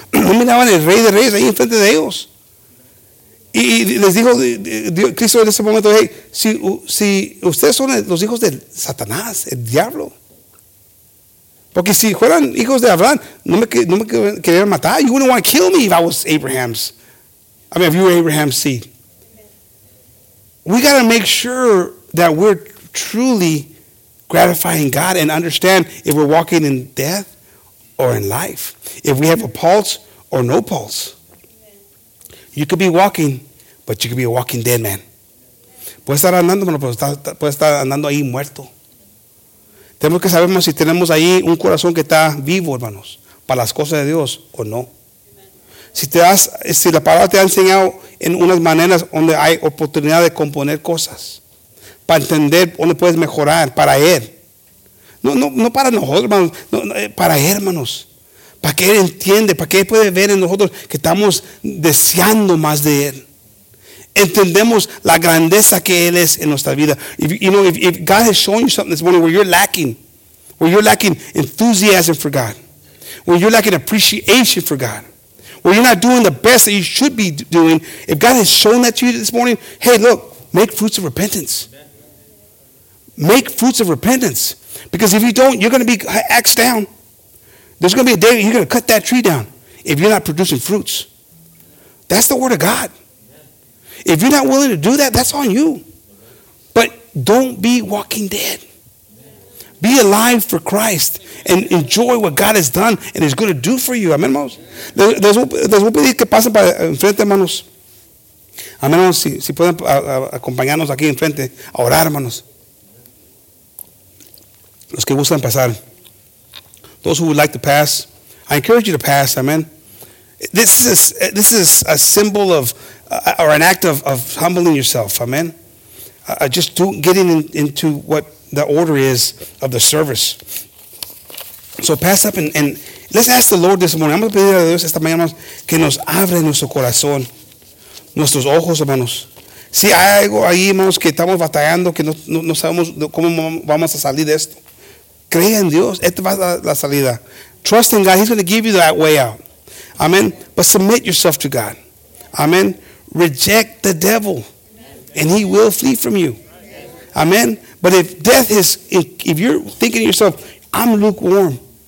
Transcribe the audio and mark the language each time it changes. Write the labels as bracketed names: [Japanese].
[Spanish] No miraban el rey de reyes ahí enfrente de ellos. Y les dijo Cristo en ese momento, hey, si ustedes son los hijos de Satanás, el diablo, porque si fueran hijos de Abraham, no me querían matar. [English] You wouldn't want to kill me if I was Abraham's. I mean, if you were Abraham's seed. We got to make sure that we're truly gratifying God and understand if we're walking in death or in life. If we have a pulse or no pulse. You could be walking, but you could be a walking dead man. [Spanish] Puede estar andando, pero puede estar andando ahí muerto. Tenemos que saber si tenemos ahí un corazón que está vivo, hermanos, para las cosas de Dios o no. Si te has, si la palabra te ha enseñado en unas maneras donde hay oportunidad de componer cosas, para entender dónde puedes mejorar para Él. No para nosotros, hermanos, para Él, hermanos. Para que Él entiende, para que Él puede ver en nosotros que estamos deseando más de Él. Entendemos la grandeza que Él es en nuestra vida. [English] If God has shown you something this morning where you're lacking enthusiasm for God, where you're lacking appreciation for God, where you're not doing the best that you should be doing, if God has shown that to you this morning, hey, look, make fruits of repentance. Make fruits of repentance. Because if you don't, you're going to be axed down. There's going to be a day you're going to cut that tree down if you're not producing fruits. That's the word of God. If you're not willing to do that, that's on you. But don't be walking dead. Be alive for Christ and enjoy what God has done and is going to do for you. [Spanish] Amen, hermanos. Les voy a pedir que pasen para enfrente, hermanos. Amen, hermanos. Si pueden acompañarnos aquí enfrente a orar, hermanos. Los que gustan pasar. [English] Those who would like to pass, I encourage you to pass. Amen. This is a symbol of, or an act of humbling yourself. Amen. Just getting into what the order is of the service. So pass up and let's ask the Lord this morning. I'm going to [Spanish] pedir a Dios esta mañana que nos abra nuestro corazón, nuestros ojos, hermanos. Si hay algo ahí, hermanos, que estamos batallando, que no sabemos cómo vamos a salir de esto. Cree en Dios. Esta va la salida. [English] Trust in God. He's going to give you that way out. Amen. But submit yourself to God. Amen. Reject the devil. And he will flee from you. Amen. But if death is, if you're thinking to yourself, I'm lukewarm.